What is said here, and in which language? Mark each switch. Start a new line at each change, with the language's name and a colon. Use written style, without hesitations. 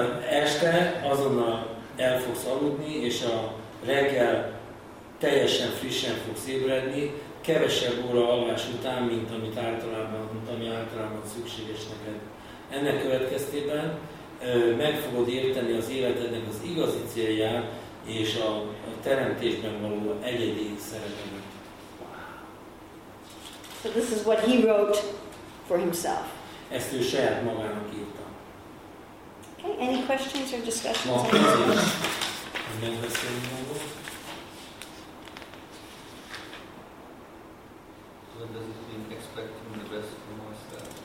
Hungarian: Este azonnal el fogsz aludni, és a reggel teljesen frissen fogsz ébredni, kevesebb óra alvás után, mint amit általában, szükséges neked. Ennek következtében meg fogod érteni az életednek az igazi célját, és a teremtésben való egyedi szerepedet.
English: So this is what he wrote for himself.
Hungarian: Ezt ő saját magának írta.
English: Okay, any questions or discussions?
Hungarian: Ma kérdés, hogy megbeszélni magad.
English: What does it mean expecting the best from myself?